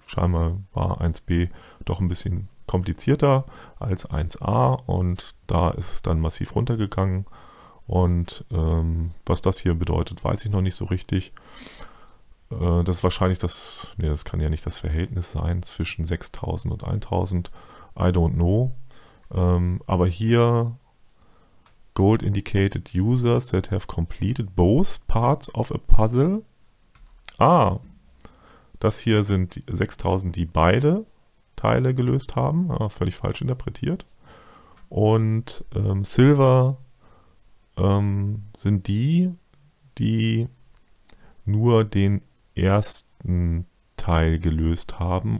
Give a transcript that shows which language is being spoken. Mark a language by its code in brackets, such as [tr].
[de] Scheinbar war 1b doch ein bisschen komplizierter als 1a und da ist es dann massiv runtergegangen. Und was das hier bedeutet, weiß ich noch nicht so richtig. Das ist wahrscheinlich das, nee, das kann ja nicht das Verhältnis sein zwischen 6000 und 1000. [en] I don't know. [de] Aber hier [en] Gold indicated users that have completed both parts of a puzzle. [de] Ah, das hier sind 6000, die beide Teile gelöst haben. Ah, völlig falsch interpretiert. Und Silver sind die, die nur den ersten Teil gelöst haben.